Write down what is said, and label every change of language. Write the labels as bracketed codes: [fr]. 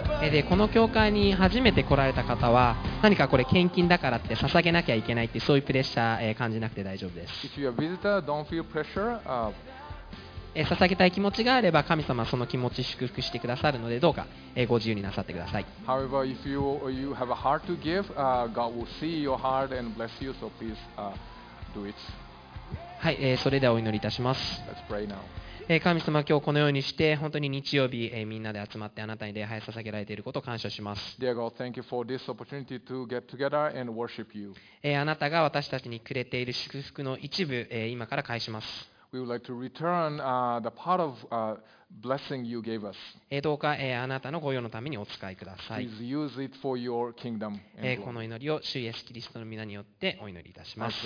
[ja] でこの教会に初めて来られた方は何かこれ献金だからって捧げなきゃいけないってそういうプレッシャー感じなくて大丈夫です。 [en] If you're a visitor, don't feel pressure, [ja] 捧げたい気持ちがあれば神様はその気持ち祝福してくださるのでどうかご自由になさってください。 [en] However, if you have a heart to give, God will see your heart and bless you, so please do it. [ja] はい、それではお祈りいたします。 [en] Let's pray now. [ja] 神様、今日このようにして本当に日曜日、みんなで集まってあなたに礼拝を捧げられていることを感謝します。 [en] Dear God, thank you for this opportunity to get together and worship you. [ja] あなたが私たちにくれている祝福の一部、今から返します。 [en] We would like to return, the part of, blessing you gave us. [ja] どうか、あなたの御用のためにお使いください。 [en] Please use it for your kingdom. [ja] この祈りを主イエスキリストの御名によってお祈りいたします。